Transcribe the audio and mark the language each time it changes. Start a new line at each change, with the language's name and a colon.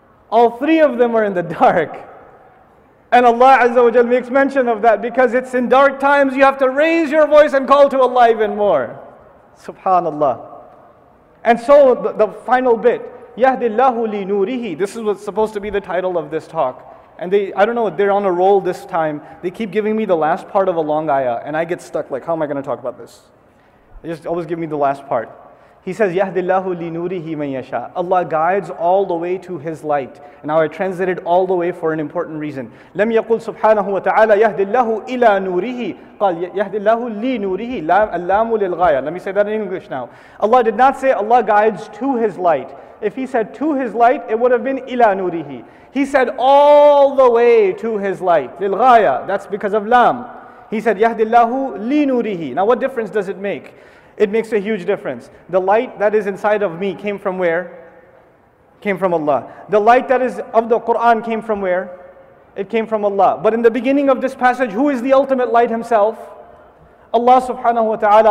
English: All 3 of them are in the dark. And Allah Azza wa Jal makes mention of that because it's in dark times you have to raise your voice and call to Allah even more. Subhanallah. And so the final bit,
Arabic: يَهْدِ اللَّهُ لِنُورِهِ.
English: This is what's supposed to be the title of this talk. And they, I don't know, they're on a roll this time. They keep giving me the last part of a long ayah and I get stuck, like, how am I going to talk about this? They just always give me the last part. He says,
Arabic: يَهْدِ اللَّهُ لِنُورِهِ مَنْ يَشَىٰ.
English: Allah guides all the way to His light. Now I translated all the way for an important reason.
Arabic: لَمْ يَقُلْ سُبْحَانَهُ وَتَعَالَى يَهْدِ اللَّهُ إِلَىٰ نُورِهِ قَالْ يَهْدِ اللَّهُ لِنُورِهِ اللَّامُ لِلْغَايَةِ.
English: Let me say that in English now. Allah did not say Allah guides to His light. If He said to His light, it would have been
Arabic: إِلَىٰ نُورِهِ.
English: He said all the way to His light.
Arabic: لِلْغَايَةِ.
English: That's because of لَامْ. He said
Arabic: يَهْدِ اللَّهُ لِنُورِهِ.
English: Now what difference does it make? It makes a huge difference. The light that is inside of me came from where? Came from Allah. The light that is of the Quran came from where? It came from Allah. But in the beginning of this passage, who is the ultimate light himself? Allah subhanahu wa ta'ala.